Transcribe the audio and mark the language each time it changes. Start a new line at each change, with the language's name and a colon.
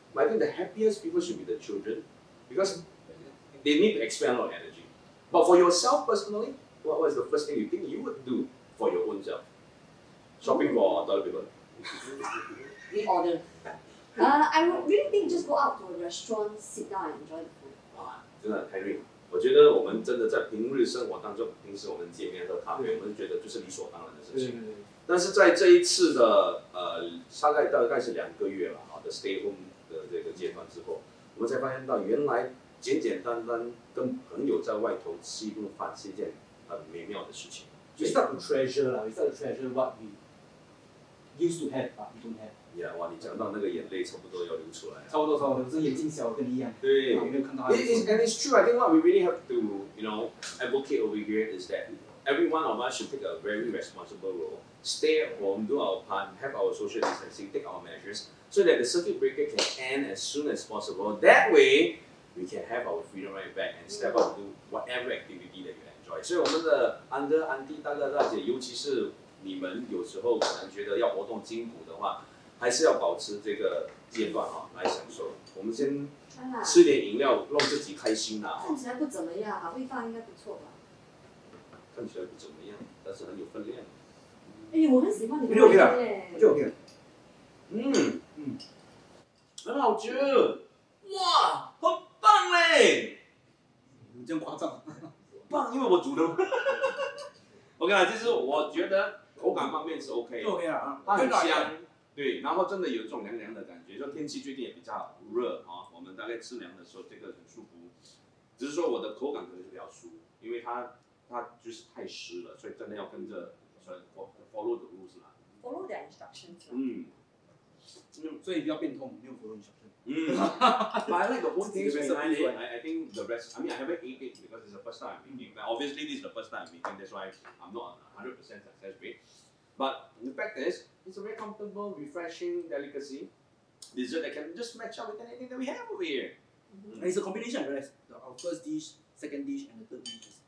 English: But I think the happiest people should be the children. Because they need to expend a lot of energy. But for yourself personally, what was the first thing you think you would do for your own self? Shopping for other people. We order. I would really think just go out to a restaurant, sit down and enjoy the food.
Chinese: Wow, 真的太累了。我觉得我们真的在平日生活当中，平时我们见面喝咖啡，我们觉得就是理所当然的事情。但是在这一次的大概是两个月了的
English: stay home
Chinese: 的这个阶段之后。我们才发现到，原来简简单单跟朋友在外头吃一顿饭是一件很美妙的事情。
English: We start to treasure lah, we start to treasure what we used to have, but we don't have.
Chinese: Yeah, 哇，你讲到那个眼泪差不多要流出来了。差不多，这眼睛小跟你一样。对。有没有看到
English: ？And it's true. I think what we really have to, you know, advocate over here is that every one of us should take a very responsible role. Stay at home, do our part, have our social distancing, take our measures. So that the circuit breaker can end as soon as possible. That way, we can have our freedom right back and step up to do whatever activity that you enjoy.
Chinese: 所以我们的安哥、安弟、大哥、大姐，尤其是你们，有时候可能觉得要活动筋骨的话，还是要保持这个阶段哈、来享受。我们先吃点饮料，让自己开心啦。看起来不怎么样，味道应该不错吧？看起来不怎么样，但是很有分量。哎，我很喜欢你们。就 OK 了，就 OK 了。很好吃，哇，很棒嘞！你这样夸张，棒，因为我煮的。OK 啦，就是我觉得口感方面是 OK，就 OK 啊，它很香，对，然后真的有一种凉凉的感觉，就天气最近也比较热啊，我们大概吃凉的时候这个很舒服，只是说我的口感可能是比较酥，因为它就是太湿了，所以真的要跟着
English: follow the rules
Chinese: 啦
English: ，follow the instructions。
Chinese: 所以不要变通，没有喉咙小声。
English: But I like the whole thing. I think the rest. I mean, I haven't ate it because it's the first time I'm eating. But obviously, this is the first time I'm eating. That's why I'm not on 100% success rate. But the fact is, it's a very comfortable, refreshing delicacy dessert that can just match up with anything that we have over here. And it's a combination, right? Our first dish, second dish, and the third dish.